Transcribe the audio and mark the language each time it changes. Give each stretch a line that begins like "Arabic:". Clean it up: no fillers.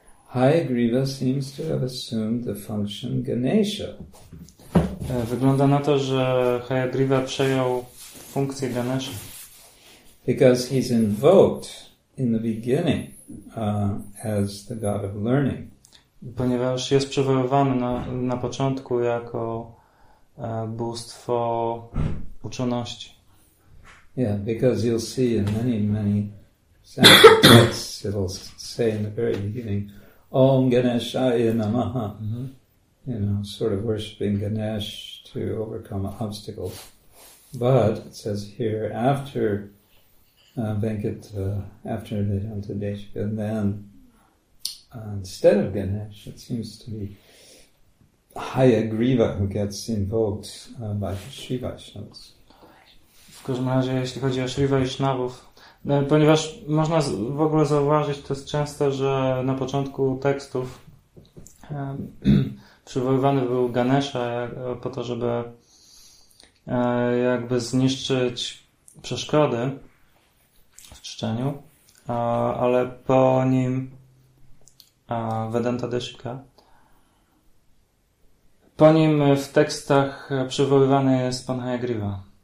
English: Hayagriva seems to have assumed the function Ganesha.
Polish: Wygląda na to, że Hayagriva przejął funkcję Ganesha.
English: Because he's invoked in the beginning as the god of learning.
Polish: Ponieważ jest przywoływany na początku jako bóstwo uczoności.
English: Yeah, because you'll see in many, many Sanskrit texts, it'll say in the very beginning,
Sanskrit: Om Ganeshaya Namaha. Mm-hmm.
English: You know, sort of worshipping Ganesh to overcome obstacles. But it says here, after after Vedanta Deshika, and then instead of Ganesh, it seems to be Hayagriva who gets invoked by Sri Vaishnavas.
Polish: W każdym razie, jeśli chodzi o Sri Vaishnavów, ponieważ można w ogóle zauważyć to jest często, że na początku tekstów przywoływany był Ganesha po to, żeby jakby zniszczyć przeszkody w czczeniu, ale po nim Vedanta Deshika, po nim w tekstach przywoływany jest Pan Hayagriva.